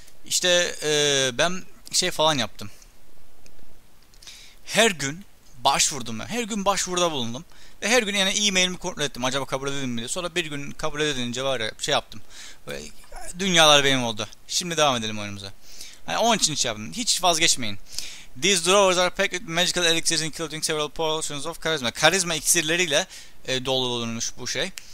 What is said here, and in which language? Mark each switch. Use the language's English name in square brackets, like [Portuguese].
[Turkish] İşte ben şey falan yaptım. Her gün başvurdum ben. Her gün başvuruda bulundum. Ve her gün yani e-mailimi kontrol ettim. Acaba kabul edildim mi diye. Sonra bir gün kabul edilince var ya, şey yaptım. Böyle, dünyalar benim oldu. Şimdi devam edelim oyunumuza. Yani onun için şey yaptım. Hiç vazgeçmeyin. [English] These drawers are packed with magical elixirs, including several potions of charisma. [Turkish] Karizma iksirleriyle doldurulmuş bu şey.